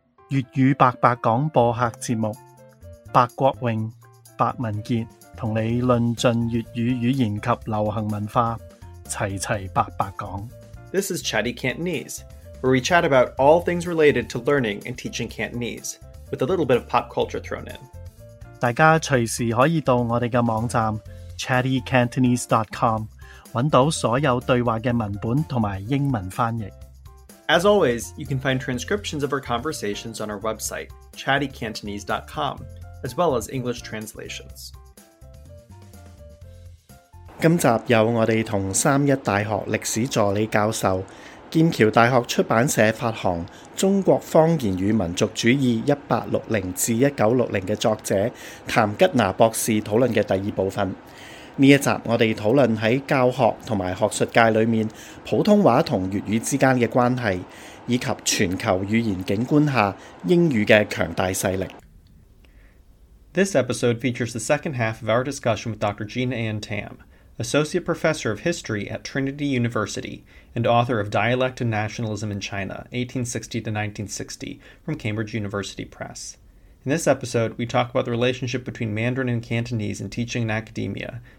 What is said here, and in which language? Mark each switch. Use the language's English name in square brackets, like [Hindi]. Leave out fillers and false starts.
[Cantonese] 粤语白白广播客节目，白国荣、白文杰同你论尽粤语语言及流行文化，齐齐白白讲。 [English] This is Chatty Cantonese, where we chat about all things related to learning and teaching Cantonese, with a little bit of pop culture thrown in. [Cantonese] 大家随时可以到我哋嘅网站 chattycantonese.com 揾到所有对话嘅文本同埋英文翻译。 [English] As always, you can find transcriptions of our conversations on our website, chattycantonese.com, as well as English translations. [Cantonese] 今集有我哋同三一大学历史助理教授、剑桥大学出版社发行《中国方言与民族主义1860-1960》嘅作者谭吉拿博士讨论嘅第二部分。呢一集我哋讨论喺教学同埋学术界里面普通话同粤语之间嘅关系，以及全球语言景观下英语嘅强大势力。 [English] This episode features the second half of our discussion with Dr. Jean Ann Tam, associate professor of history at Trinity University and author of Dialect and Nationalism in China, 1860-1960, from Cambridge University Press. In this episode, we talk about the relationship between Mandarin and Cantonese in teaching and academia.